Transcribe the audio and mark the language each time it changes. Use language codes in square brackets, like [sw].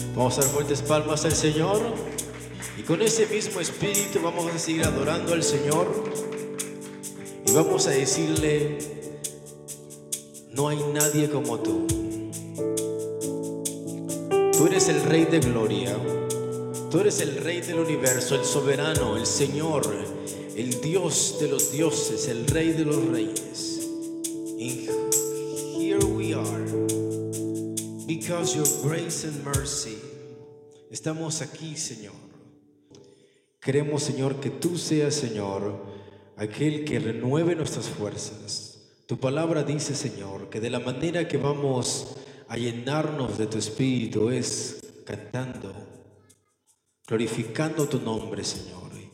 [es] Vamos a dar fuertes palmas al Señor y con ese mismo espíritu vamos a seguir adorando al Señor y vamos a decirle: no hay nadie como tú. Tú eres el Rey de gloria. Tú eres el Rey del universo, el soberano, el Señor, el Dios de los dioses, el Rey de los reyes. [en] And here we are because your grace and mercy. [es] Estamos aquí, Señor. Queremos, Señor, que tú seas, Señor, aquel que renueve nuestras fuerzas. Tu palabra dice, Señor, que de la manera que vamos a llenarnos de tu espíritu es cantando, glorificando tu nombre, Señor.